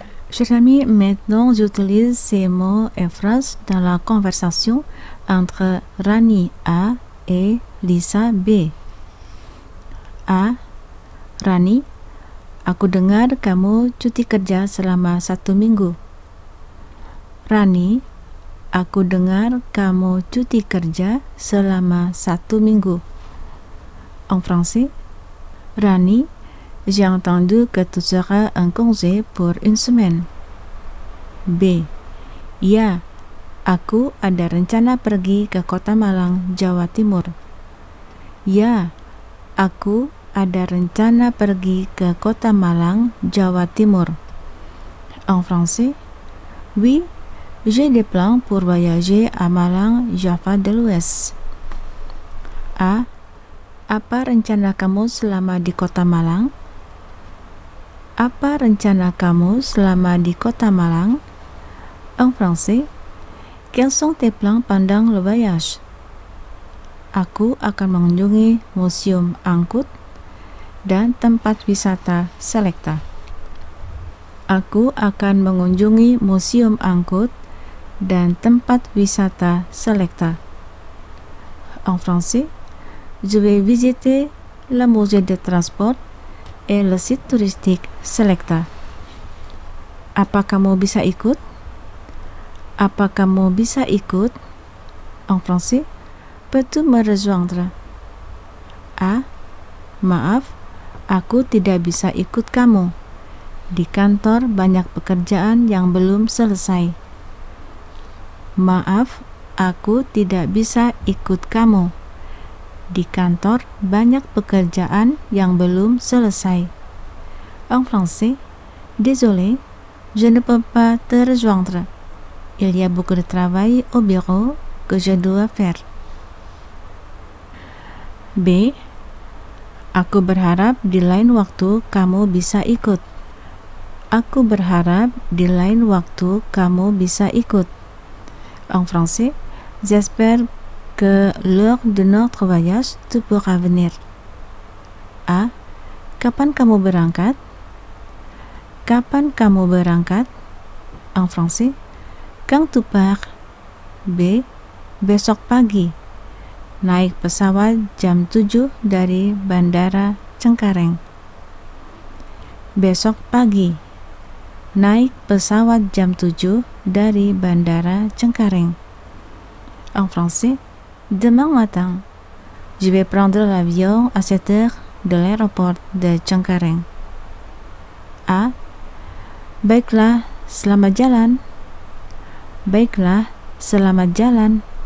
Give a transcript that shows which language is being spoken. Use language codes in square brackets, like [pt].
[fr] Chers amis, maintenant j'utilise ces mots et phrases dans la conversation entre Rani A et Lisa B. A. [id] Rani, aku dengar kamu cuti kerja selama satu minggu. Rani, aku dengar kamu cuti kerja selama satu minggu. [fr] En français, Rani, j'ai entendu que tu seras en congé pour une semaine. B. [id] Ya, aku ada rencana pergi ke Kota Malang, Jawa Timur. Ya, aku ada rencana pergi ke Kota Malang, Jawa Timur. [fr] En français, oui, j'ai des plans pour voyager à Malang, Java de l'Ouest. A. [id] Apa rencana kamu selama di Kota Malang? Apa rencana kamu selama di Kota Malang? [fr] En français, quels sont tes plans pendant le voyage? [id] Aku akan mengunjungi museum angkut dan tempat wisata selekta. Aku akan mengunjungi museum angkut dan tempat wisata Selecta. [fr] En français, je vais visiter le musée de transport et le site touristique Selecta. [id] Apa kamu bisa ikut? Apa kamu bisa ikut? [fr] En français, peux-tu me rejoindre? [id] Ah, maaf, aku tidak bisa ikut kamu. Di kantor banyak pekerjaan yang belum selesai. Maaf, aku tidak bisa ikut kamu. Di kantor banyak pekerjaan yang belum selesai. [fr] En français, désolé, je ne peux pas te rejoindre. Il y a beaucoup de travail au bureau que je dois faire. B. [id] Aku berharap di lain waktu kamu bisa ikut. Aku berharap di lain waktu kamu bisa ikut. [fr] En français, j'espère que lors de notre voyage tu pourras venir. A. [id] Kapan kamu berangkat? Kapan kamu berangkat? [fr] En français, quand tu pars? [id] B. Besok pagi. Naik pesawat jam 7 dari Bandara Cengkareng. Besok pagi. Naik pesawat jam 7 dari Bandara Cengkareng. [fr] En français, demain matin, je vais prendre l'avion à 7 heures de l'aéroport de Cengkareng. A. [id] Baiklah, selamat jalan. Baiklah, selamat jalan.